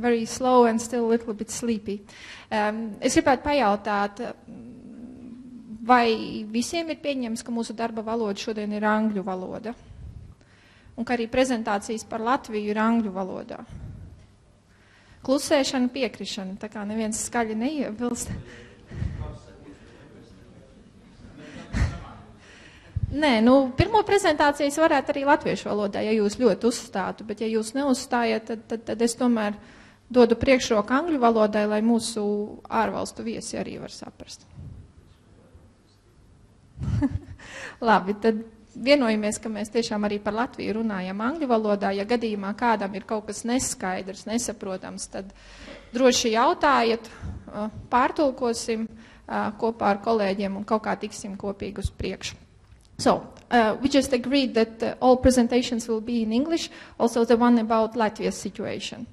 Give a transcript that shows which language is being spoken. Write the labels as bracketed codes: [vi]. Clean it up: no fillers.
[en] Very slow and still a little bit sleepy. [lv] Es gribētu pajautāt, vai visiem ir pieņems, ka mūsu darba valoda šodien ir angļu valoda? Un ka arī prezentācijas par Latviju ir angļu valodā? Klusēšana, piekrišana, tā kā neviens skaļi neievilst. Nē, nu, pirmo prezentāciju es varētu arī latviešu valodā, ja jūs ļoti uzstātu, bet ja jūs neuzstājat, tad es tomēr dodu priekšroku angļu valodai, lai mūsu ārvalstu viesi arī var saprast. Labi, tad vienojamies, ka mēs tiešām arī par Latviju runājam angļu valodā. Ja gadījumā kādam ir kaut kas neskaidrs, nesaprotams, tad droši jautājat, pārtulkosim kopā ar kolēģiem un kaut kā tiksim kopīgi uz priekšu. [en] So, we just agreed that all presentations will be in English, also the one about Latvia's situation.